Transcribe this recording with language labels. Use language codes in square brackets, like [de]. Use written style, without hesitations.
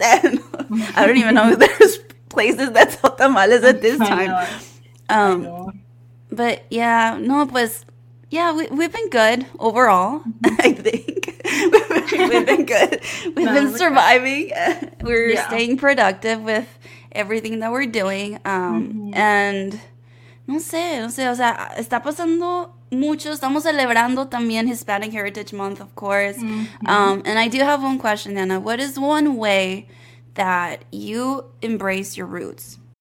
[en] I don't even know if there's places that sell tamales at this time. But yeah, no, pues, yeah, we've been good overall, I think. We've been good. We've been surviving. We're staying productive with everything that we're doing. [es] And no sé, o sea, está pasando mucho. Estamos celebrando también Hispanic Heritage Month, [en] of course. Mm-hmm. And I do have one question, Anna. What is one way that you embrace your roots?